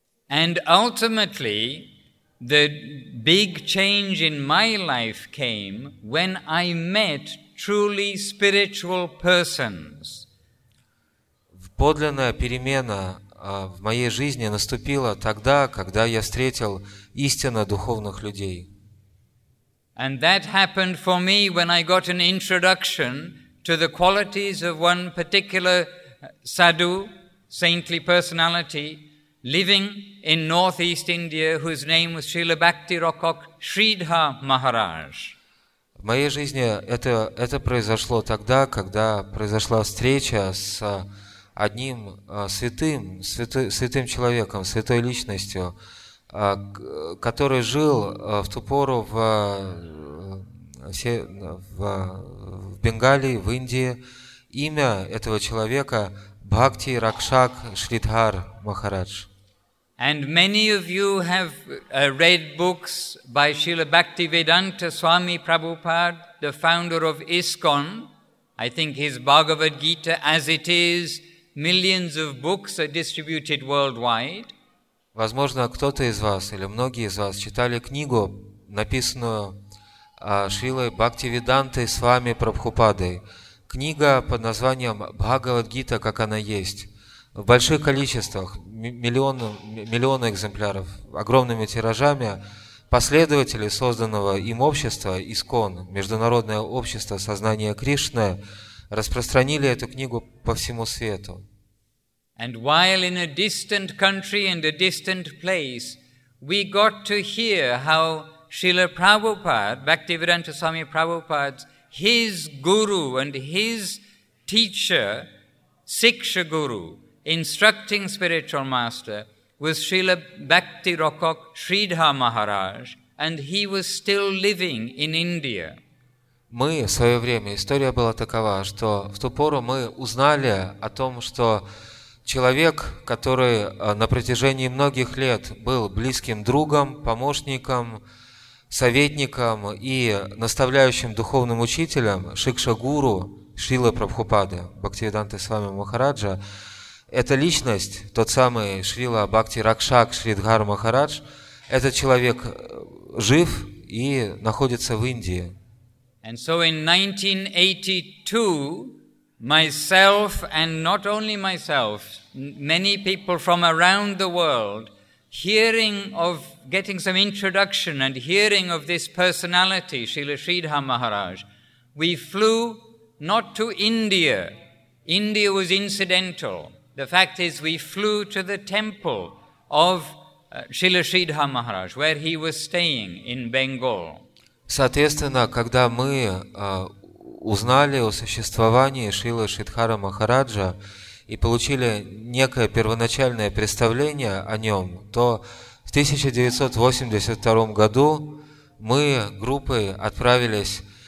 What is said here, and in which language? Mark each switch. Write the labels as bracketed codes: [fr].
[en] And ultimately, the big change in my life came when I met truly spiritual persons. [ru] Подлинная перемена в моей жизни наступила тогда, когда я встретил истинно духовных людей. [en] And that happened for me when I got an introduction to the qualities of one particular sadhu, saintly personality, living in northeast India, whose name was Srila Bhakti Rokok Shridhar Maharaj. [ru] В моей жизни это произошло тогда, когда произошла встреча с одним святым человеком, святой личностью, который жил в ту пору в Бенгалии, в Индии. Имя этого человека Бхакти Ракшак Шридхар Махарадж. [en] And many of you have read books by Srila Bhaktivedanta Swami Prabhupada, the founder of ISKCON. I think his Bhagavad Gita, as it is, millions of books are distributed worldwide. [ru] Возможно, кто-то из вас или многие из вас читали книгу, написанную Шрилой Бхактиведантой Свами Прабхупадой. Книга под названием «Бхагавад Гита, как она есть». В больших количествах, миллионы экземпляров, огромными тиражами, последователи созданного им общества ИСКОН, Международное общество сознания Кришны, распространили эту книгу по всему свету. [en] And while in a distant country and a distant place, we got to hear how Srila Prabhupada, Bhaktivedanta Swami Prabhupada, his guru and his teacher, Siksha Guru, instructing spiritual master, was Srila Bhakti Rokok Shridhar Maharaj, and he was still living in India. [ru] Мы в свое время, история была такова, что в ту пору мы узнали о том, что человек, который на протяжении многих лет был близким другом, помощником, советником и наставляющим духовным учителем Шикшагуру Шрилы Прабхупады, Бхактивиданты Свами Махараджа, эта личность, тот самый Шрила Бхакти Ракшак Шридхар Махарадж, этот человек жив и находится в Индии. [en] And so in 1982, myself, and not only myself, many people from around the world, hearing of getting some introduction and hearing of this personality, Srila Sridhar Maharaj, we flew not to India. India was incidental. The fact is we flew to the temple of Srila Sridhar Maharaj, where he was staying in Bengal. [ru] Соответственно, когда мы узнали о существовании Шрилы Шридхара Махараджа и получили некое первоначальное представление о нем, то в 1982 году мы группой отправились.